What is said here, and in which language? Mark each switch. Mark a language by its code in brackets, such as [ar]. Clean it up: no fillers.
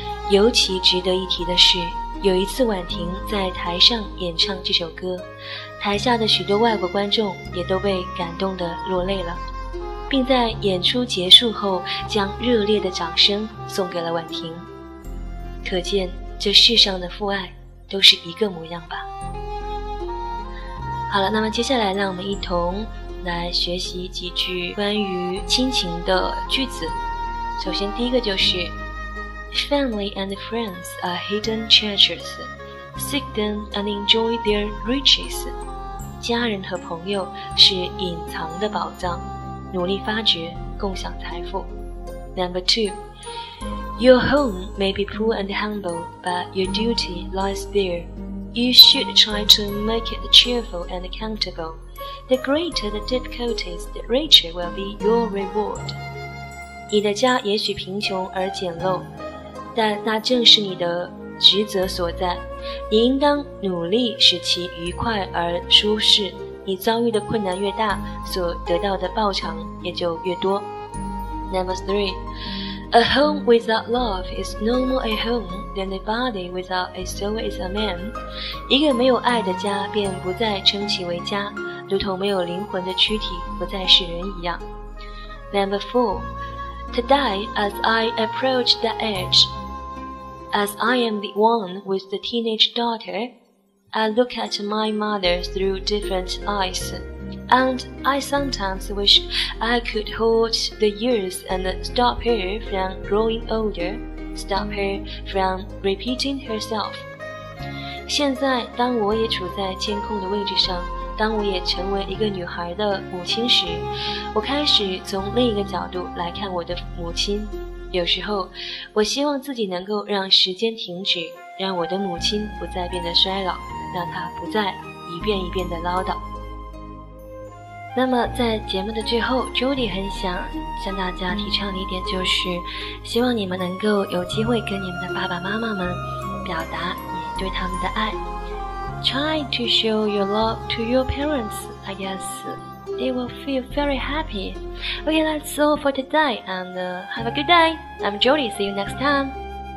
[zh] 尤其值得一提的是，有一次婉婷在台上演唱这首歌，台下的许多外国观众也都被感动得落泪了，并在演出结束后将热烈的掌声送给了婉婷。可见这世上的父爱都是一个模样吧。好了，那么接下来让我们一同来学习几句关于亲情的句子。首先第一个就是 [en] Family and friends are hidden treasures, seek them and enjoy their riches。 [zh] 家人和朋友是隐藏的宝藏，努力发掘，共享财富。 [en] Number two, Your home may be poor and humble, but your duty lies there. You should try to make it cheerful and comfortable. The greater the difficulties, the richer will be your reward. [zh] 你的家也许贫穷而简陋，但那正是你的职责所在。你应当努力使其愉快而舒适，你遭遇的困难越大，所得到的报偿也就越多。 [en] Number three, A home without love is no more a home than a body without a soul is a man. [zh] 一个没有爱的家便不再称其为家，如同没有灵魂的躯体不再是人一样。 [en] Number four, Today, as I approach that age, as I am the one with the teenage daughter,I look at my mother through different eyes, and I sometimes wish I could hold the years and stop her from growing older, stop her from repeating herself. [zh] 现在当我也处在监控的位置上，当我也成为一个女孩的母亲时，我开始从另一个角度来看我的母亲。有时候我希望自己能够让时间停止，让我的母亲不再变得衰老，让她不再一遍一遍地唠叨。那么在节目的最后， Judy 很想向大家提倡一点，就是希望你们能够有机会跟你们的爸爸妈妈们表达你对他们的爱。 [en] Try to show your love to your parents, I guess they will feel very happy. Okay, that's all for today, and have a good day. I'm Judy, see you next time.